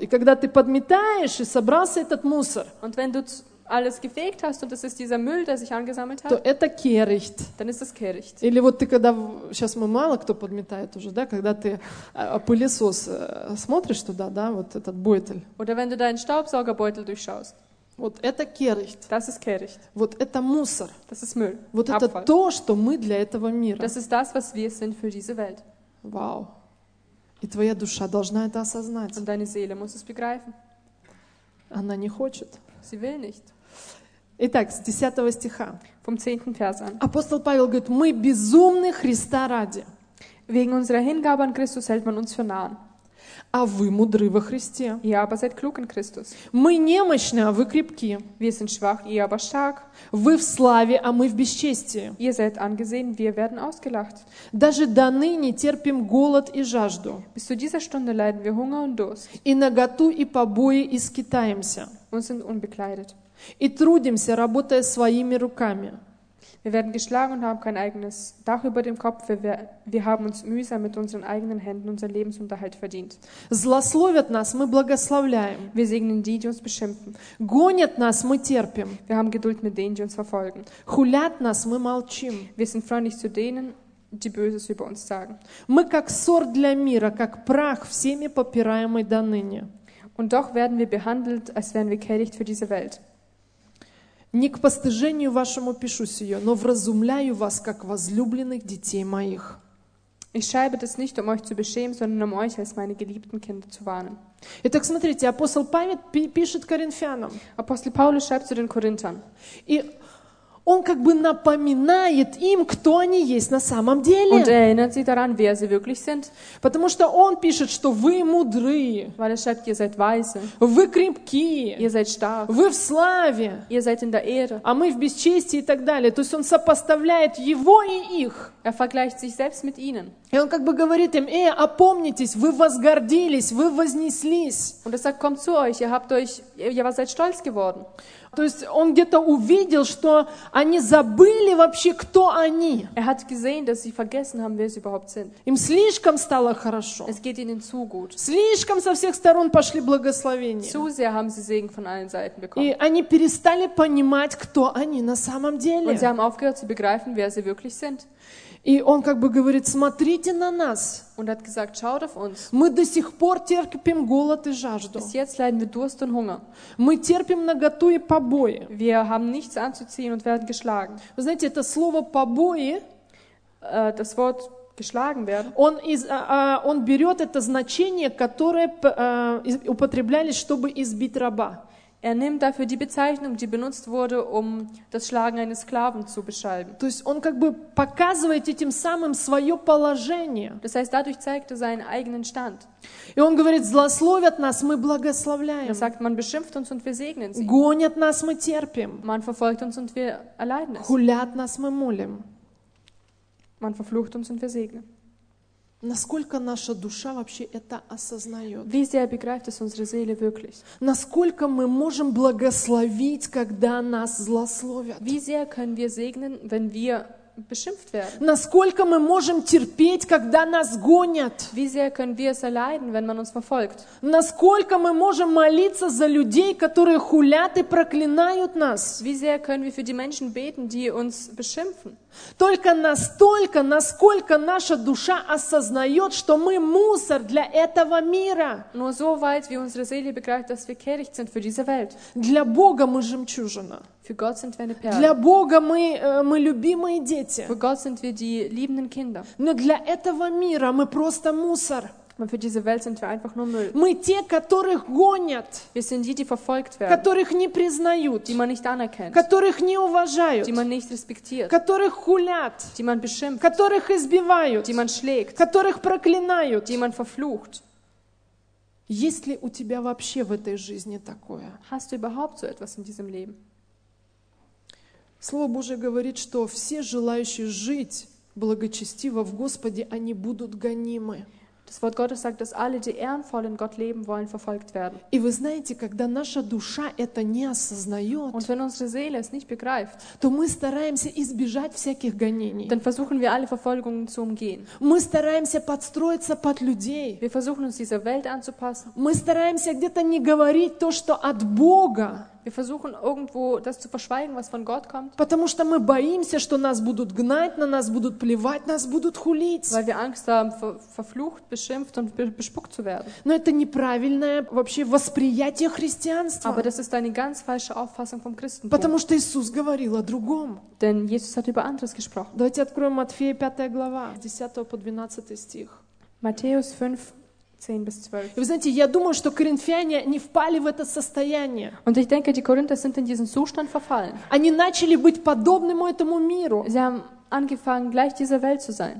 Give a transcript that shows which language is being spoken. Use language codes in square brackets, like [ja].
[ru] И когда ты подметаешь и собрался этот мусор. [de] Und wenn du alles gefegt hast und das ist dieser Müll, der sich angesammelt hat. [ru] То это Kehricht. [de] Dann ist das Kehricht. [ru] Или вот ты когда сейчас мы мало кто подметает уже, да, когда ты пылесос смотришь туда, да, вот этот бойтель. [de] Oder wenn du deinen Staubsaugerbeutel durchschaust. [ru] Вот это Kehricht. [de] Das ist Kehricht. [ru] Вот это мусор. [de] Das ist Müll. [ru] Вот [de] Abfall. [ru] Это то, что мы для этого мира. [de] Das ist das, was wir sind für diese Welt. [ru] Вау. И твоя душа должна это осознать. [de] Und deine Seele muss es begreifen. [ru] Она не хочет. [de] Sie will nicht. [ru] Итак, с 10 стиха. [de] Vom 10. Vers an. [ru] Апостол Павел говорит, мы безумны Христа ради. [de] Wegen unserer Hingabe an Christus hält man uns für narren. [ru] А вы мудры во Христе. [de] Ihr aber seid klug in Christus. [ru] Мы немощны, а вы крепки. [de] Wir sind schwach, ihr aber stark. [ru] Вы в славе, а мы в бесчестии. [de] Ihr seid angesehen, wir werden ausgelacht. [ru] Даже до ныне терпим голод и жажду. [de] Bis zu dieser Stunde leiden wir Hunger und Durst. [ru] И наготу и побои и скитаемся. [de] Und sind unbekleidet. [ru] И трудимся, работая своими руками. [de] Wir werden geschlagen und haben kein eigenes Dach über dem Kopf. Wir haben uns mühsam mit unseren eigenen Händen unseren Lebensunterhalt verdient. [ru] Злословят нас, мы благословляем. [de] Wir segnen die, die uns beschimpfen. [ru] Гонят нас, мы терпим. [de] Wir haben Geduld mit denen, die uns verfolgen. [ru] Хулят нас, мы молчим. [de] Wir sind freundlich zu denen, die Böses über uns sagen. [ru] Мы как сор для мира, как прах всеми попираемый до ныне. [de] Und doch werden wir behandelt, als wären wir Kehricht für diese Welt. [ru] Не к постыжению вашему пишу сие, но вразумляю вас, как возлюбленных детей моих. [de] Ich schreibe das nicht, um euch zu beschämen, sondern um euch als meine geliebten Kinder zu warnen. [ru] Итак, смотрите, апостол Павел пишет коринфянам. [de] Апостол Павел schreibt zu den Korinthern. [ru] И он как бы напоминает им, кто они есть на самом деле. [de] Und er erinnert sie daran, wer sie wirklich sind. [ru] Потому что он пишет, что вы мудры. [de] Weil er schreibt, ihr seid weise. [ru] Вы крепки. [de] Ihr seid stark. [ru] Вы в славе. [de] Ihr seid in der Ehre. [ru] А мы в бесчестии и так далее. То есть он сопоставляет его и их. [de] Er vergleicht sich selbst mit ihnen. [ru] И он как бы говорит им, опомнитесь, вы возгордились, вы вознеслись. [de] Und er sagt, kommt zu euch, ihr seid stolz geworden. [ru] То есть он где-то увидел, что они забыли вообще, кто они. [de] Er hat gesehen, dass sie vergessen haben, wer sie überhaupt sind. [ru] Им слишком стало хорошо. [de] Es geht ihnen zu gut. [ru] Слишком со всех сторон пошли благословения. [de] Zu sehr haben sie Segen von allen Seiten bekommen. [ru] И они перестали понимать, кто они на самом деле. [de] Und sie haben aufgehört zu begreifen, wer sie wirklich sind. [ru] И он как бы говорит, смотрите на нас. [de] Und hat gesagt, schaut auf uns. [ru] Мы до сих пор терпим голод и жажду. [de] Bis jetzt leiden wir Durst und Hunger. [ru] Мы терпим наготу и побои. [de] Wir haben nichts anzuziehen und werden geschlagen. [ru] Вы знаете, это слово побои, [de] das Wort geschlagen werden. [ru] Он берет это значение, которое употреблялись, чтобы избить раба. [de] Er nimmt dafür die Bezeichnung, die benutzt wurde, um das Schlagen eines Sklaven zu beschreiben. [ru] То есть он как бы показывает этим самым свое положение. [de] Das heißt, dadurch zeigt er seinen eigenen Stand. [ru] И он говорит, злословят нас, мы благословляем. [de] Er sagt, man beschimpft uns und wir segnen sie. [ru] Гонят нас, мы терпим. [de] Man verfolgt uns und wir erleiden es. [ru] Хулят нас, мы молим. [de] Man verflucht uns und wir segnen. [ru] Насколько наша душа вообще это осознает? [de] Wie sehr begreift es unsere Seele wirklich? [ru] Насколько мы можем благословить, когда нас злословят? [de] Wie sehr können wir segnen, wenn wir beschimpft werden? [ru] Насколько мы можем терпеть, когда нас гонят? [de] Wie sehr können wir es erleiden, wenn man uns verfolgt? [ru] Насколько мы можем молиться за людей, которые хулят и проклинают нас? [de] Wie sehr können wir für die Menschen beten, die uns beschimpfen? [ru] Только настолько, насколько наша душа осознает, что мы мусор для этого мира. [de] Nur so weit, wie unsere Seele begreift, dass wir kehricht sind für diese Welt. [ru] Для Бога мы жемчужина. [de] Für Gott sind wir eine Perle. [ru] Для Бога мы любимые дети. [de] Für Gott sind wir die liebenden Kinder. [ru] Но для этого мира мы просто мусор. [de] Aber für diese Welt sind wir einfach nur Müll. [ru] Мы те, которых гонят. [de] Wir sind die, die verfolgt werden. [ru] Которых не признают. [de] Die man nicht anerkennt. [ru] Которых не уважают. [de] Die man nicht respektiert. [ru] Которых хулят. [de] Die man beschimpft. [ru] Которых избивают. [de] Die man schlägt. [ru] Которых проклинают. [de] Die man verflucht. [ru] Есть ли у тебя вообще в этой жизни такое? [de] Hast du überhaupt so etwas in diesem Leben? [ru] Слово Божие говорит, что все желающие жить благочестиво в Господе, они будут гонимы. [de] Das Wort Gottes sagt, dass alle, die ehrenvoll in Gott leben wollen, verfolgt werden. [ru] И вы знаете, когда наша душа это не осознает, [de] und wenn unsere Seele es nicht begreift, [ru] то мы стараемся избежать всяких гонений. [de] Dann versuchen wir alle Verfolgungen zu umgehen. [ru] Мы стараемся подстроиться под людей. [de] Wir versuchen uns dieser Welt anzupassen. [ru] Мы стараемся где-то не говорить то, что от Бога. [de] Wir versuchen irgendwo das zu verschweigen, was von Gott kommt. [ru] Потому что мы боимся, что нас будут гнать, на нас будут плевать, нас будут хулить. [de] Weil wir Angst haben, verflucht, beschimpft und bespuckt zu werden. [ru] Но это неправильное вообще восприятие христианства. [de] Aber das ist eine ganz falsche Auffassung vom Christentum. [ru] Потому что Иисус говорил о другом. [de] Denn Jesus hat über anderes gesprochen. [ru] Давайте откроем Матфея 5 глава, 10 по 12 стих. [de] Matthäus 5 10-12. [ru] И вы знаете, я думаю, что коринфяне не впали в это состояние. [de] Und ich denke, die Korinther sind in diesen Zustand verfallen. [ru] Они начали быть подобным этому миру. [de] Sie haben angefangen, gleich dieser Welt zu sein.